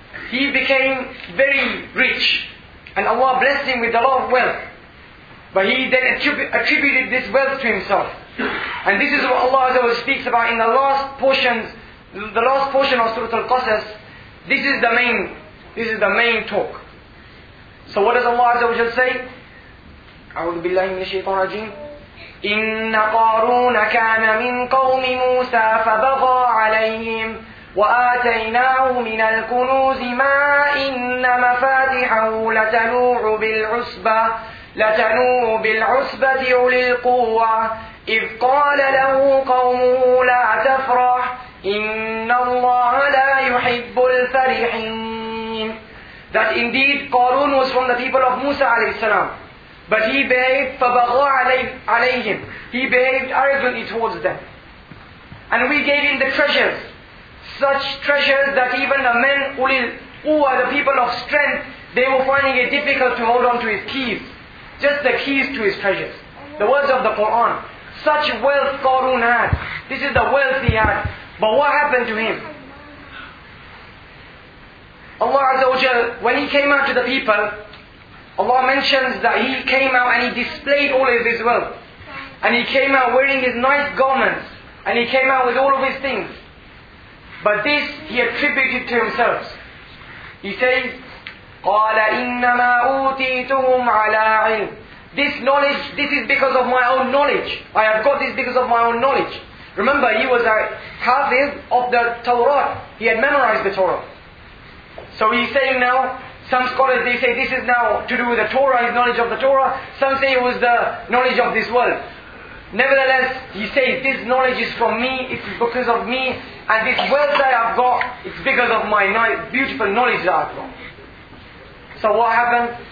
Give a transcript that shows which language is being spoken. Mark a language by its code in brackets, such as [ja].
[en] He became very rich. And Allah blessed him with a lot of wealth. But he then attributed this wealth to himself. And this is what Allah Azza wa Jalla speaks about in the last portion of Surah Al-Qasas. This is the main talk. So what does Allah Azza wa Jalla say? [ar] أعوذ بالله من الشيطان الرجيم. إِنَّ قَارُونَ كَانَ مِنْ قَوْمِ مُوسَى فَبَغَى عَلَيْهِمْ وَآتَيْنَاهُ مِنَ الْكُنُوزِ مَا إِنَّ مَفَاتِحَهُ لَتَنُوعُ بِالْعُصْبَةِ لتنوء بالعصبة أولي القوة إذ قال له قومه لا تفرح إن الله لا يحب الفرحين. [en] That indeed Qarun was from the people of Musa a.s. But he behaved [ar] فبغوا عليهم. [en] He behaved arrogantly towards them. And we gave him the treasures. Such treasures that even the men Ulil Quwa, the people of strength, they were finding it difficult to hold on to his keys. Just the keys to his treasures. The words of the Quran. Such wealth Qarun had. This is the wealth he had. But what happened to him? Allah Azza wa Jal, when he came out to the people, Allah mentions that he came out and he displayed all of his wealth. And he came out wearing his nice garments. And he came out with all of his things. But this he attributed to himself. He says, [ar] قَالَ إِنَّمَا أُوتِيتُهُمْ عَلَىٰ عِلْمٍ. [en] This knowledge, this is because of my own knowledge. I have got this because of my own knowledge. Remember, he was a hafiz of the Torah. He had memorized the Torah. So he's saying now, some scholars, they say this is now to do with the Torah, his knowledge of the Torah. Some say it was the knowledge of this world. Nevertheless, he says, this knowledge is from me, it's because of me, and this wealth that I've got, it's because of my beautiful knowledge that I've got. So what happened?